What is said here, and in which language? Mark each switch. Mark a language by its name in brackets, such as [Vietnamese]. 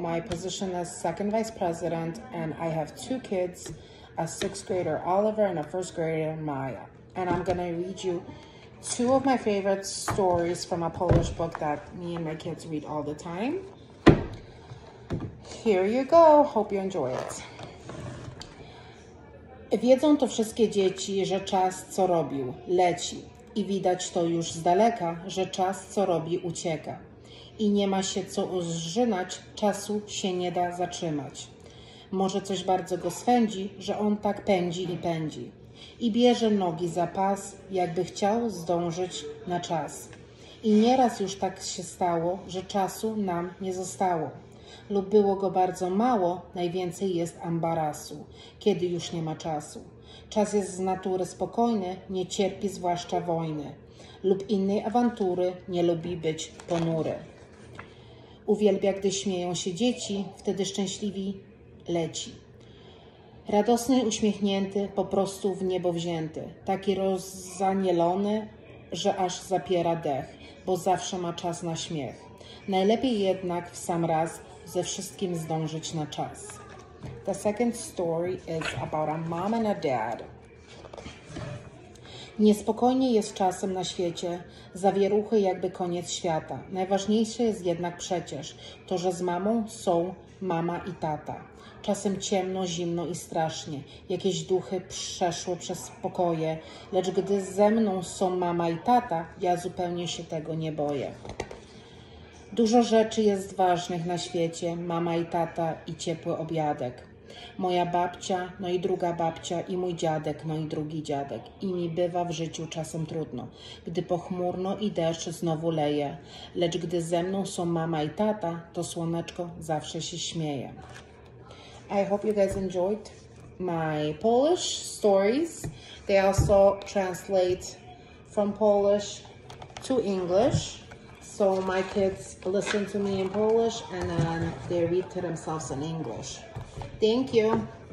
[English] My position is second vice president, and I have two kids, a sixth grader, Oliver, and a first grader, Maya. And I'm gonna read you two of my favorite stories from a Polish book that me and my kids read all the time. Here you go, hope you enjoy it. [Polish] Wiedzą to wszystkie dzieci, że czas co robił, leci. I widać to już z daleka, że czas co robi ucieka. I nie ma się co zżynać, czasu się nie da zatrzymać. Może coś bardzo go swędzi, że on tak pędzi i pędzi. I bierze nogi za pas, jakby chciał zdążyć na czas. I nieraz już tak się stało, że czasu nam nie zostało. Lub było go bardzo mało, najwięcej jest ambarasu, kiedy już nie ma czasu. Czas jest z natury spokojny, nie cierpi zwłaszcza wojny lub innej awantury, nie lubi być ponury. Uwielbia, gdy śmieją się dzieci, wtedy szczęśliwi leci. Radosny, uśmiechnięty, po prostu w niebo wzięty, taki rozanielony, że aż zapiera dech, bo zawsze ma czas na śmiech. Najlepiej jednak w sam raz ze wszystkim zdążyć na czas. [English] The second story is about a mom and a dad. [Polish] Niespokojnie jest czasem na świecie, zawieruchy jakby koniec świata. Najważniejsze jest jednak przecież to, że z mamą są mama i tata. Czasem ciemno, zimno i strasznie, jakieś duchy przeszły przez pokoje, lecz gdy ze mną są mama i tata, ja zupełnie się tego nie boję. Dużo rzeczy jest ważnych na świecie, mama i tata i ciepły obiadek. Moja babcia, no i druga babcia i mój dziadek, no i drugi dziadek. I mi bywa w życiu czasem trudno, gdy pochmurno i deszcz znowu leje. Lecz gdy ze mną są mama i tata, to słoneczko zawsze się śmieje. [English] I hope you guys enjoyed my Polish stories. They also translate from Polish to English. So my kids listen to me in Polish and then they read to themselves in English. Thank you.